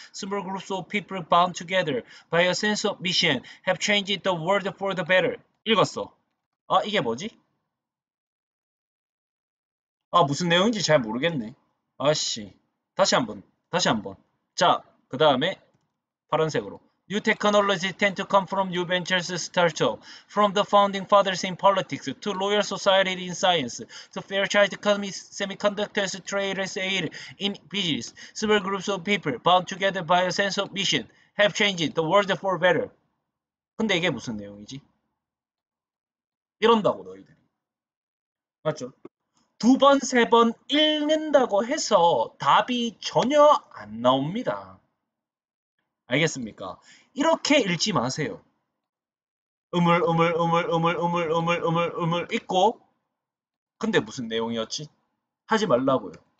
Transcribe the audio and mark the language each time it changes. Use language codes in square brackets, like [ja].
[en] Small groups of people bound together by a sense of mission have changed the world for the better. [ko] 읽었어. 아, 이게 뭐지? 아, 무슨 내용인지 잘 모르겠네. 아씨. 다시 한 번. 자, 그 다음에 파란색으로. [en] New technologies tend to come from new ventures startup, from the founding fathers in politics, to royal society in science, to Fairchild semiconductors trade sale in business. Small groups of people bound together by a sense of mission have changed the world for better. [ko] 근데 이게 무슨 내용이지? 이런다고 너희들이. 맞죠? 두 번, 세번 읽는다고 해서 답이 전혀 안 나옵니다. 알겠습니까? 이렇게 읽지 마세요. 음을 읽고, 근데 무슨 내용이었지? 하지 말라고요.